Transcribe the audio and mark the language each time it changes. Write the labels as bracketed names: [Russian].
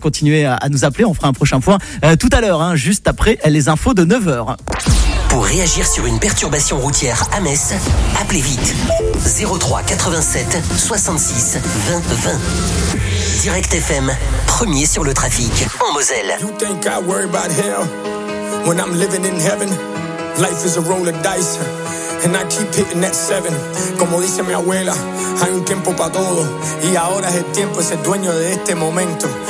[French] Continuez à nous appeler, on fera un prochain point tout à l'heure, juste après les infos de 9h. Pour réagir sur une perturbation routière à Metz, appelez vite 03 87 66 20 20. Direct FM, premier sur le trafic en Moselle. [English] You think I worry about hell when I'm living in heaven? Life is a roll of dice and I keep hitting that 7. [Spanish] Como dice mi abuela, hay un tiempo para todo y ahora es el tiempo, es el dueño de este momento.